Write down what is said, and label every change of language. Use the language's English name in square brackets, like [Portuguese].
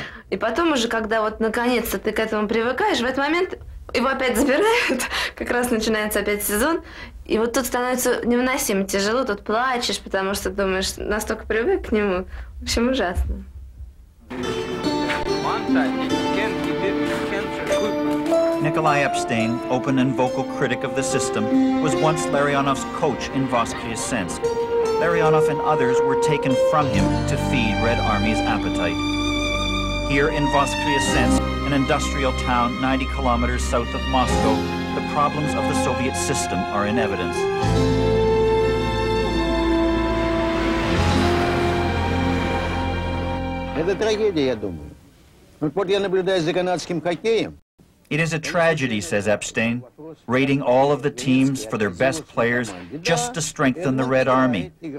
[Russian] И потом уже, когда вот наконец-то ты к этому привыкаешь, в этот момент его опять забирают, как раз начинается опять сезон, и вот тут становится невыносимо тяжело, тут плачешь, потому что думаешь, настолько привык к нему. В общем, ужасно. [English] Nikolai Epstein, open and vocal critic of the system, was once Larionov's coach in Voskhy's sense. Larionov and others were taken from him to feed Red Army's appetite. Here in Voskhy's sense, an industrial town 90 kilometers south of Moscow, the problems of the Soviet system are in evidence. [Russian] Это трагедия, я думаю. Вот я наблюдаю за канадским хоккеем. [English] It is a tragedy, says Epstein, rating all of the teams for their best players just to strengthen the Red Army.